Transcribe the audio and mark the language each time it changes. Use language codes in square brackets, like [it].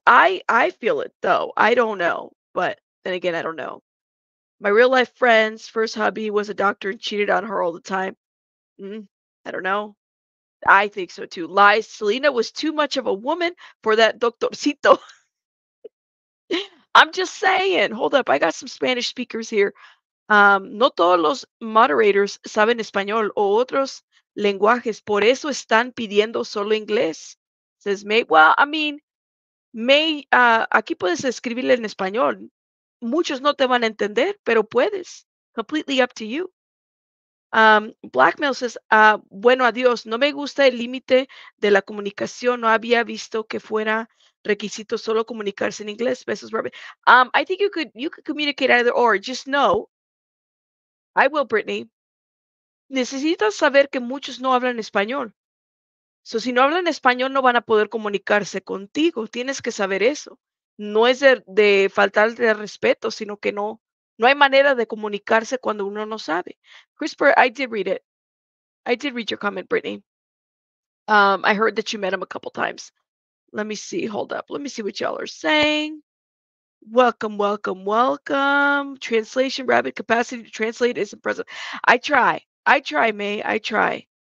[en] I feel it, though. I don't know. But then again, I don't know. My real life friend's first hubby was a doctor and cheated on her all the time. I don't know. I think so, too. Lies. Selena was too much of a woman for that doctorcito. I'm just saying. Hold up. I got some Spanish speakers here. [es] No todos los moderators saben español o otros lenguajes. Por eso están pidiendo solo inglés. [en] Says May. Well, I mean, [es] May, aquí puedes escribirle en español. Muchos no te van a entender, pero puedes. [en] Completely up to you. [es] Blackmail says, bueno, adiós. No me gusta el límite de la comunicación. No había visto que fuera requisito solo comunicarse en inglés. [en] Besos, Robin. I think you could communicate either or. Just know. I will, Brittany. [es] Necesitas saber que muchos no hablan español. So si no hablan español, no van a poder comunicarse contigo. Tienes que saber eso. No es de faltar de respeto, sino que no hay manera de comunicarse cuando uno no sabe. [en] CRISPR, I did read it. I did read your comment, Brittany. I heard that you met him a couple times. Let me see. Hold up. Let me see what y'all are saying. Welcome, welcome, welcome. Translation, rabbit capacity to translate is impressive. I try, May. I try.